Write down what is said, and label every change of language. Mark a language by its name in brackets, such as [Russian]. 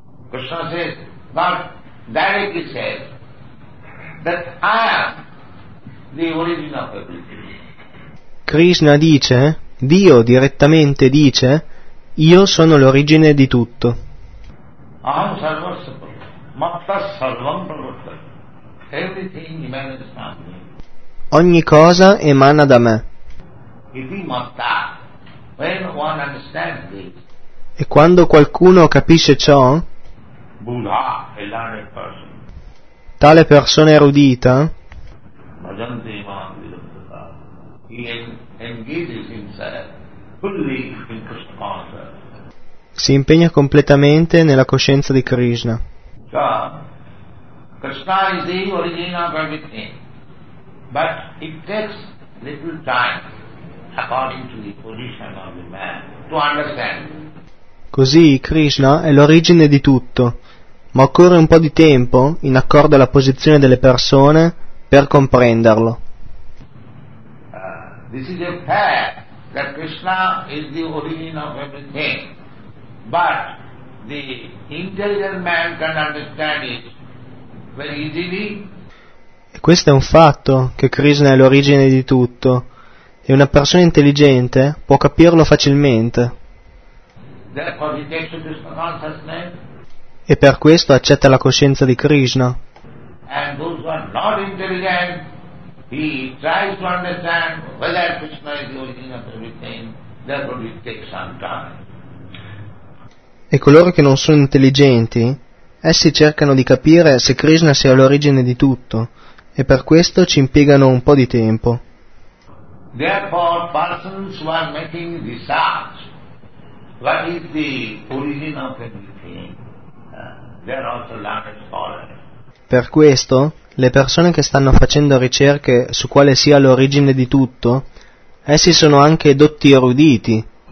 [English] Krishna said, but directly said that I am the origin of everything. [Italian] Krishna dice, Dio direttamente dice, io sono l'origine di tutto. [Sanskrit] Aham sarvasya prabhu matta sarvam prapatta. [English] Everything emanates from me. [Italian] Ogni cosa emana da me. [Sanskrit] Iti matta. [English] When one understands this. [Italian] E quando qualcuno capisce ciò, [English] Buddha, a learned person. [Italian] Tale persona erudita, [Sanskrit] bhajante maam vidutata, [English] he engages himself fully in Krishna consciousness. [Italian] Si impegna completamente nella coscienza di Krishna. [English] So, Krishna is the origin of everything, but it takes little time, according to the position of the man, to understand. [Italian] Così Krishna è l'origine di tutto, ma occorre un po' di tempo, in accordo alla posizione delle persone, per comprenderlo. [English] This is a fact that Krishna is the origin of everything, but the intelligent man can understand it very easily. [Italian] E questo è un fatto, che Krishna è l'origine di tutto, e una persona intelligente può capirlo facilmente. [English] Therefore he takes to Krishna consciousness. [Italian] E per questo accetta la coscienza di Krishna. [English] And those who are not intelligent, he tries to understand whether Krishna is the origin of everything, therefore it takes some time. [Italian] E coloro che non sono intelligenti, essi cercano di capire se Krishna sia l'origine di tutto, e per questo ci impiegano un po' di tempo. [English] Therefore, persons who are making research, what is the origin of everything? [Italian] Per questo, le persone che stanno facendo ricerche su quale sia l'origine di tutto, essi sono anche dotti eruditi.